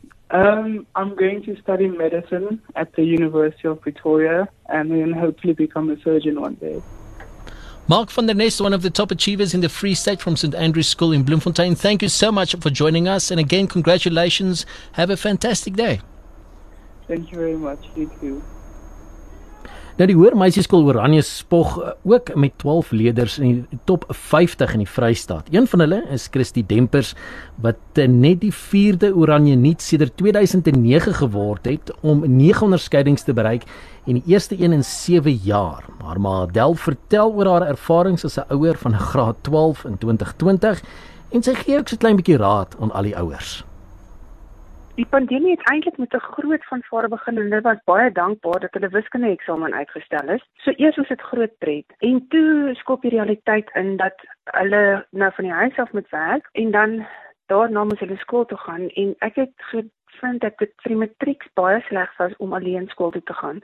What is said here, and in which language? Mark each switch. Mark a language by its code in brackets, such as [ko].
[en] I'm going to study medicine at the University of Pretoria and then hopefully become a surgeon one day. Marc van der Nest, one of the top achievers in the Free State from St. Andrew's School in Bloemfontein. Thank you so much for joining us. And again, congratulations. Have a fantastic day. Thank you very much. You too. [af] Nou die Hoër meisieskool Oranje spog ook met 12 leerders in die top 50 in die Vrystaat. Een van hulle is Christi Dempers wat net die vierde Oranjeniet sedert 2009 geword het om 9 onderskeidings te bereik en die eerste een in 7 jaar. Maar Adele vertel oor haar ervarings as 'n ouer van graad 12 in 2020 en sy gee ook so 'n klein bietjie raad aan al die ouers. Die pandemie het eintlik met 'n groot fanfare begin en hulle was baie dankbaar dat hulle wiskunde eksamen uitgestel is. So eers was dit groot pret en toe skop die realiteit in dat hulle nou van die huis af moet werk en dan daarna moet hulle skool toe gaan en ek het gevind dat dit vir die matriek baie sleg was om alleen skool toe te gaan.